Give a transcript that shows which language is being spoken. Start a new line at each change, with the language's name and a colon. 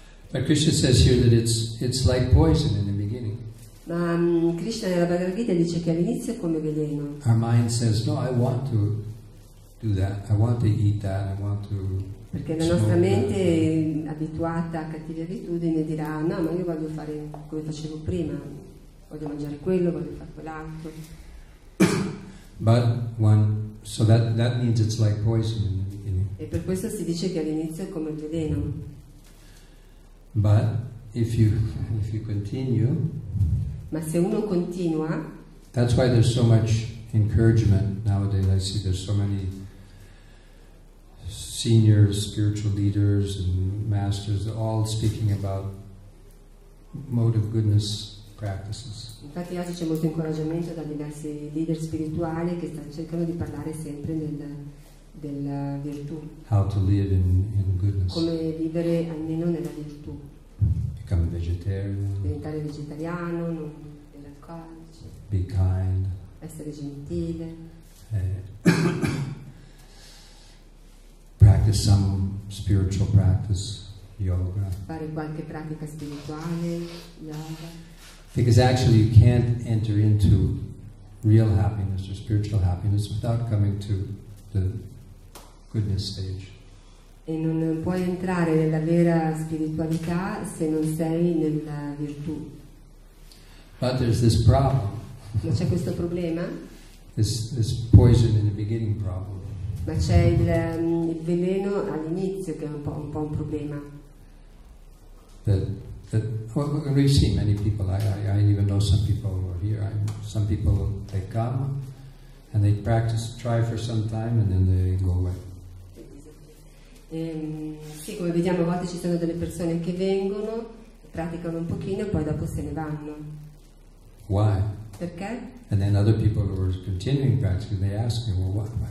English: Ma Krishna says here that it's like poison in the beginning.
Italian: Ma Krishna nella Bhagavad Gita dice che all'inizio è come veleno.
English: Our mind says, no, I want to do that, I want to eat that, I want to.
Italian: Perché la nostra mente abituata a cattive abitudini dirà no, ma io voglio fare come facevo prima, voglio mangiare quello, voglio fare quell'altro.
English: But one, so that means it's like poison in the beginning.
Italian: E per questo si dice che all'inizio è come il veleno.
English: But if you continue.
Italian: Ma se uno continua.
English: That's why there's so much encouragement nowadays. I see there's so many senior spiritual leaders and masters all speaking about mode of goodness practices.
Italian: Infatti oggi c'è molto incoraggiamento da diversi leader spirituali che stanno cercando di parlare sempre della virtù.
English: How to live in goodness.
Italian: Come vivere almeno nella virtù.
English: Become vegetarian.
Italian: Diventare vegetariano, non bere alcolici.
English: Be kind.
Italian: Essere gentile.
English: Some spiritual practice, yoga.
Italian: Fare qualche pratica spirituale, yoga.
English: Because actually you can't enter into real happiness or spiritual happiness without coming to the goodness stage.
Italian: E non puoi entrare nella vera spiritualità se non sei nella virtù.
English: But there's this problem.
Italian: Ma c'è questo problema?
English: This poison in the beginning problem.
Italian: Ma c'è il veleno all'inizio che è un po' un problema.
English: We see many people. I even know some people who are here. Some people they come and they practice, try for some time, and then they go away.
Italian: Sì, come vediamo, a volte ci sono delle persone che vengono, praticano un pochino e poi dopo se ne vanno.
English: Why?
Italian: Perché?
English: And then other people who are continuing practicing, they ask me, well, why?